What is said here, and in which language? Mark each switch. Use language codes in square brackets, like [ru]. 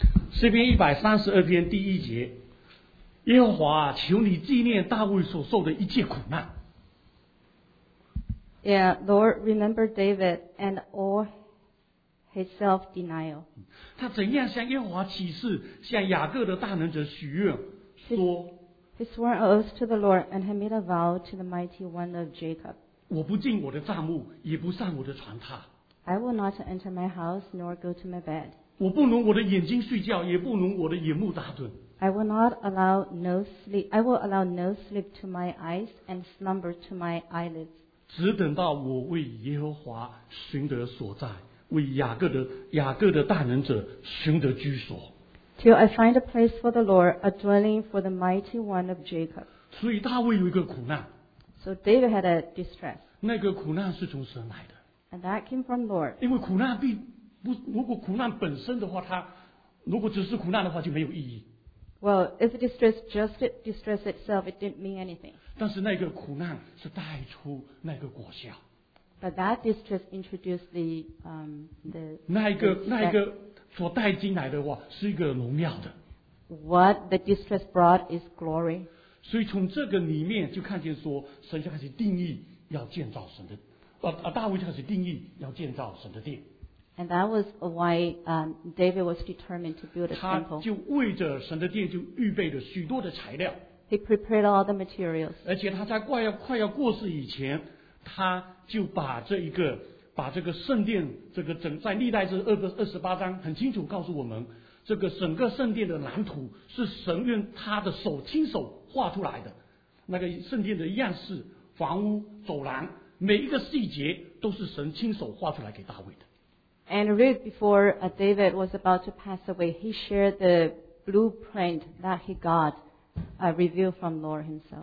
[zh] 诗篇132篇第一节，耶和华求你纪念大卫所受的一切苦难。 [en] Yeah, Lord, remember David and all his self-denial. [zh] 他怎样向耶和华起誓，向雅各的大能者许愿说 [en] he swore an oath to the Lord and he made a vow to the mighty one of Jacob. [zh] 我不进我的帐幕，也不上我的床榻。 [en] I will not enter my house nor go to my bed. [zh] 我不能我的眼睛睡觉，也不能我的眼目打盹。 [en] I will allow no sleep to my eyes and slumber to my eyelids. [zh] 只等到我为耶和华寻得所在，为雅各的大能者寻得居所。 [en] Till I find a place for the Lord, a dwelling for the mighty one of Jacob. [zh] 所以大卫有一个苦难。 [en] So David had a distress. [zh] 那个苦难是从神来的。 [en] And that came from the Lord. [zh] 因为苦难并不，如果苦难本身的话，它如果只是苦难的话，就没有意义。 [en] Well, if distress just distress itself, it didn't mean anything. [zh] 但是那个苦难是带出那个果效。 [en] But that distress introduced the [zh] 那一个所带进来的话是一个荣耀的。 [en] What the distress brought is glory. [zh] 所以从这个里面就看见说，神就开始定义要建造神的，大卫就开始定义要建造神的殿。 [en] And that was why David was determined to build a temple. [zh] 他就为着神的殿就预备了许多的材料。 [en] He prepared all the materials. [zh] 而且他在快要过世以前，他就把这个圣殿，这个整在历代志28章很清楚告诉我们，这个整个圣殿的蓝图是神用他的手亲手画出来的，那个圣殿的样式、房屋、走廊，每一个细节都是神亲手画出来给大卫的。 [en] And Ruth, before David was about to pass away, he shared the blueprint that he got revealed from Lord himself.